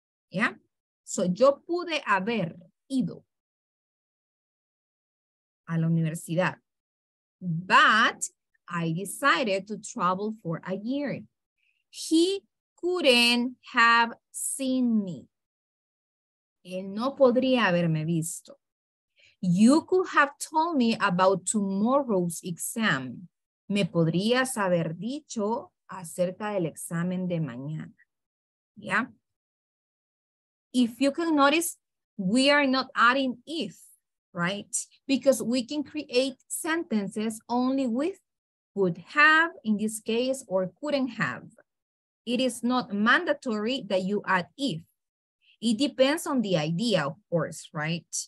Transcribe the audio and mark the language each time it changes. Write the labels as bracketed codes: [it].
[en] Yeah. So [es] yo pude haber ido a la universidad, [en] but I decided to travel for a year. He couldn't have seen me. [es] Él no podría haberme visto. [en] You could have told me about tomorrow's exam. [es] Me podrías haber dicho acerca del examen de mañana. [en] Yeah. If you can notice, we are not adding if, right? Because we can create sentences only with would have in this case or couldn't have. It is not mandatory that you add if. It depends on the idea, of course, right?